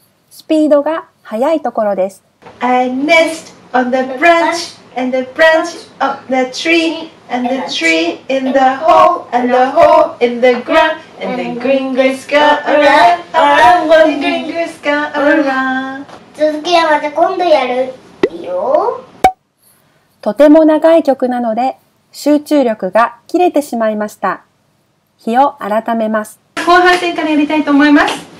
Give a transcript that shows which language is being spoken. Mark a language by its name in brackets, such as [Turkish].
[Japanese] スピードが速いところです。 [English] A nest on the branch, and the branch of the tree, and the tree in the hole, and the hole in the ground, and the green grass go around, around, and the green grass go around. [Japanese] 続きはまた今度やるよ。とても長い曲なので集中力が切れてしまいました。日を改めます。後半戦からやりたいと思います。